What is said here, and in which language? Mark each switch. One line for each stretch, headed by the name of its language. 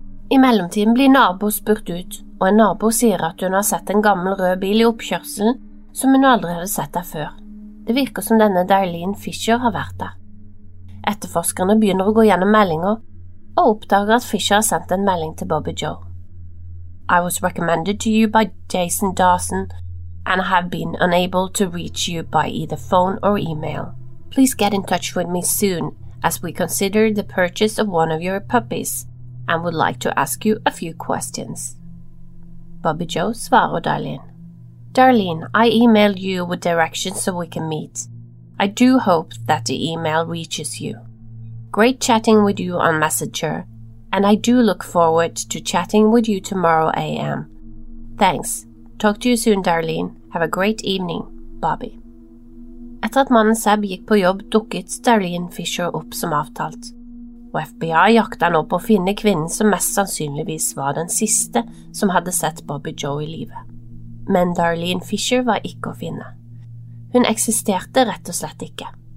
Norwegian: I mellomtiden blir nabo spurt ut, og en nabo sier at hun har sett en gammel rød bil i oppkjørselen som hun aldri hadde sett der før. Det virker som denne Darlene Fisher har vært der. Etterforskerne begynner å gå gjennom meldinger, og oppdager at Fisher har sendt en melding til Bobby Joe.
English: «I was recommended to you by Jason Dawson, and I have been unable to reach you by either phone or email. Please get in touch with me soon, as we consider the purchase of one of your puppies, and would like to ask you a few questions.»
Norwegian: Bobby Joe svarer Darlene.
English: Darlene, I emailed you with directions so we can meet. I do hope that the email reaches you. Great chatting with you on Messenger, and I do look forward to chatting with you tomorrow AM. Thanks. Talk to you soon, Darlene. Have a great evening, Bobby.
Norwegian: Etter at mannen Seb gikk på jobb, dukket Darlene Fisher opp som avtalt. Og FBI jakta nå på å finne kvinnen som mest sannsynligvis var den siste som hadde sett Bobby Joe I livet. Men Darlene Fisher var ikke å finne. Hun eksisterte rett og slett ikke.